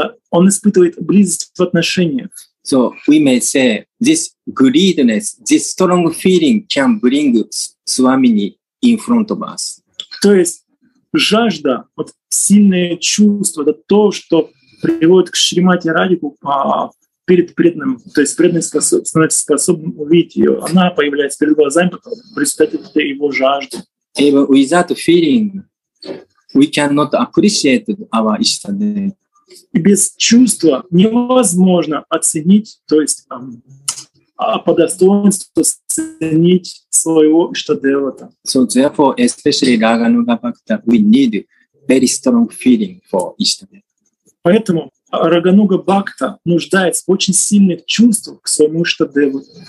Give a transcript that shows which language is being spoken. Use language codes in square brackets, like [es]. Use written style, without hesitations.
[ru] Он испытывает близость в отношениях. [en] So we may say this greediness, this strong feeling can bring Swamini in front of us. [ru] То есть жажда, вот сильное чувство, это то, что приводит к Шримати Радику перед преданным, то есть преданный становится способным увидеть ее. Она появляется перед глазами, потом в результате этой его жажды. [en] Even without feeling, we cannot appreciate our Ishtadeva. [ru] И без чувства невозможно оценить, то есть по достоинству оценить своего Ishtadeva. [en] So therefore, especially Raghunatha Bhakta, we need very strong feeling for Ishtadeva. [ru] Поэтому Рагануга Бхакта нуждается в очень сильных чувствах к своему Иштадеву.